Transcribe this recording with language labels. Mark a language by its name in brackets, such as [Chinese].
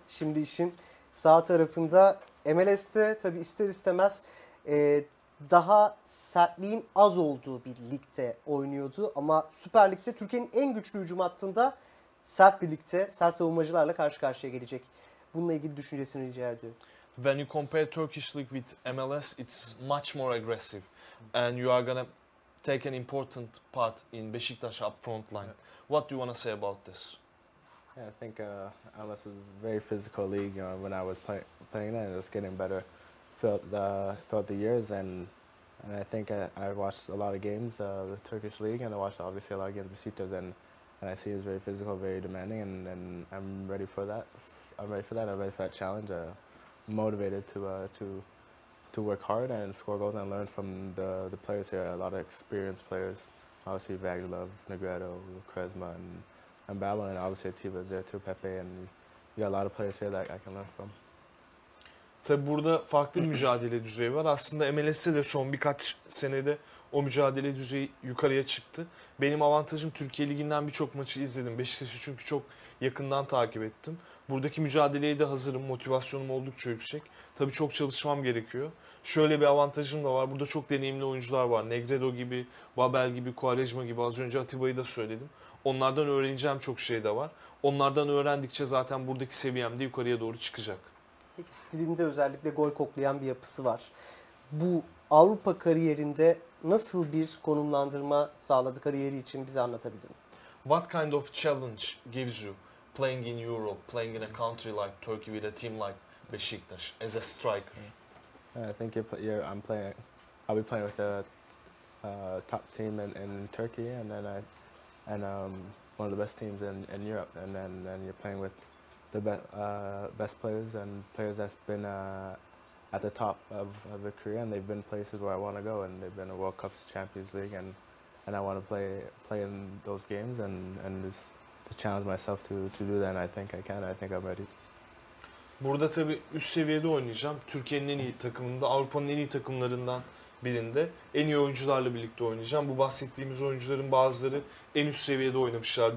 [Turkish] Şimdi işin sağ tarafında MLS'te tabii ister istemez daha sertliğin az olduğu bir ligde oynuyordu. Ama Süper Lig'de Türkiye'nin en güçlü hücum hattında sert bir ligde, sert savunmacılarla karşı karşıya gelecek. Bununla ilgili düşüncesini rica ediyorum. [English] When you compare Turkish League with MLS, it's much more aggressive. And you are gonna take an important part in Beşiktaş up front line. What do you want to say about this? Yeah, I think MLS is a very physical league. You know, when I was playing it, it was getting better throughout the years. And I think I watched a lot of games of the Turkish League, and I watched obviously a lot of games of Beşiktaş. And I see it's very physical, very demanding, and I'm ready for that. I'm ready for that. I'm ready for that challenge. I'm motivated to work hard and score goals and learn from the players here. A lot of experienced players, obviously Vagilov, Negredo, Kresma, and Babel, and obviously Atiba there too, Pepe, and you got a lot of players here that I can learn from. [Turkish] Tabii burada farklı bir mücadele düzeyi var. Aslında MLS'te de son birkaç senede o mücadele düzeyi yukarıya çıktı. Benim avantajım, Türkiye Ligi'nden birçok maçı izledim. Beşiktaş'ı çünkü çok yakından takip ettim. Buradaki mücadeleye de hazırım. Motivasyonum oldukça yüksek. Tabii çok çalışmam gerekiyor. Şöyle bir avantajım da var. Burada çok deneyimli oyuncular var. Negredo gibi, Babel gibi, Quaresma gibi. Az önce Atiba'yı da söyledim. Onlardan öğreneceğim çok şey de var. Onlardan öğrendikçe zaten buradaki seviyem de yukarıya doğru çıkacak. Peki stilinde özellikle gol koklayan bir yapısı var. Bu Avrupa kariyerinde nasıl bir konumlandırma sağladı kariyeri için, bize anlatabilir misin? [English] What kind of challenge gives you playing in Europe, playing in a country like Turkey with a team like Beşiktaş as a striker? I think I'll be playing with a top team in Turkey, and then one of the best teams in Europe, and then you're playing with the best players and players that's been at the top of the career, and they've been places where I want to go, and they've been a World Cup, Champions League, and I want to play in those games, and just challenge myself to do that, and I think I can. I think I'm ready. [Turkish] Burada tabii üst seviyede oynayacağım. Türkiye'nin en iyi takımında, Avrupa'nın en iyi takımlarından birinde en iyi oyuncularla birlikte oynayacağım. Bu bahsettiğimiz oyuncuların bazıları en üst seviyede oynamışlar.